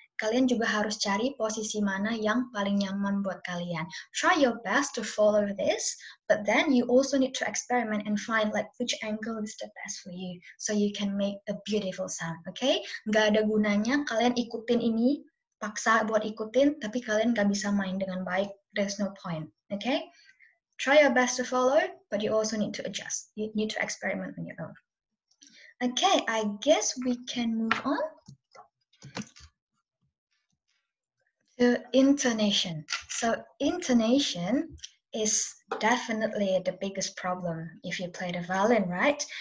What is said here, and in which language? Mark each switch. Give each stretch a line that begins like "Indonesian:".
Indonesian: Kalian juga harus cari posisi mana yang paling nyaman buat kalian.
English: Try your best to follow this, but then you also need to experiment and find like which angle is the best for you so you can make a beautiful sound, okay?
Indonesian: Nggak ada gunanya kalian ikutin ini, paksa buat ikutin, tapi kalian nggak bisa main dengan baik.
English: There's no point, okay? Try your best to follow, but you also need to adjust. You need to experiment on your own. Okay, I guess we can move on. The intonation. So intonation is definitely the biggest problem if you play the violin, right?